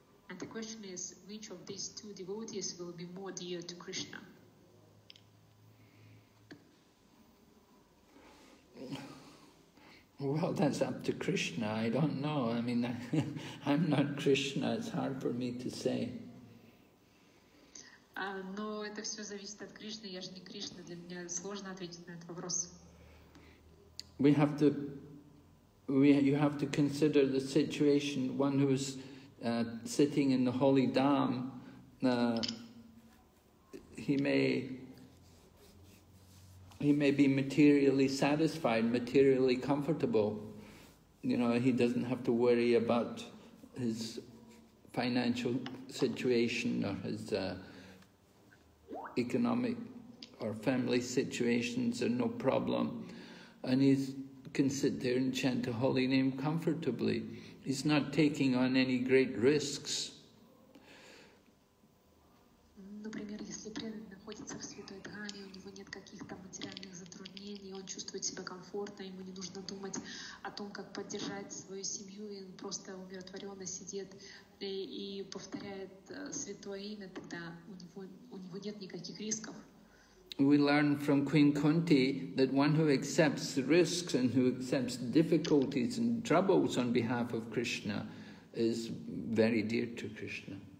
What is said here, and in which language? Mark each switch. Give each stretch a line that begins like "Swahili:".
English: And the question is, which of these two devotees will be more dear to Krishna? Well, that's up to Krishna. I don't know. I mean, I'm not Krishna. It's hard for me to say.
Russian: Но это все зависит от Кришны, я же не Кришна, для меня сложно ответить на этот вопрос.
English: You have to consider the situation, one who is sitting in the holy dham, he may be materially satisfied, materially comfortable. You know, he doesn't have to worry about his financial situation or his economic or family situations are no problem. And he can sit there and chant the holy name comfortably. He's not taking on any great risks.
Russian: Например, если преданный находится в святой дхаме, у него нет каких-то материальных затруднений, он чувствует себя комфортно, ему не нужно думать о том, как поддержать свою семью, и он просто умиротворенно сидит и повторяет святое имя, тогда у него нет никаких рисков.
English: We learn from Queen Kunti that one who accepts risks and who accepts difficulties and troubles on behalf of Krishna is very dear to Krishna.